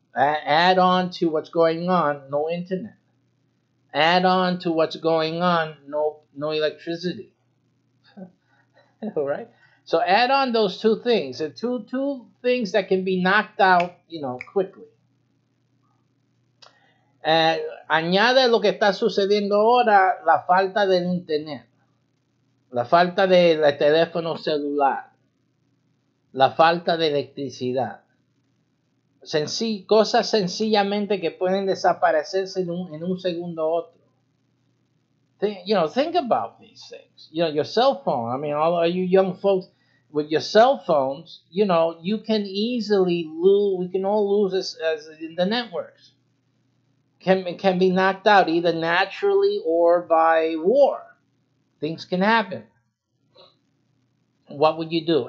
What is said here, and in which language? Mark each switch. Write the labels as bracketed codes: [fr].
[en] Add on to what's going on, no internet. Add on to what's going on, no electricity. All right? So add on those two things, two things that can be knocked out, you know, quickly. [es] Añade lo que está sucediendo ahora, la falta del internet, la falta del teléfono celular, la falta de electricidad. Cosas sencillamente que pueden desaparecerse en un segundo o otro. [en] You know, think about these things. You know, your cell phone. I mean, all of you young folks, with your cell phones, you know, you can easily lose, we can all lose as in the networks. Can be knocked out either naturally or by war. Things can happen. What would you do?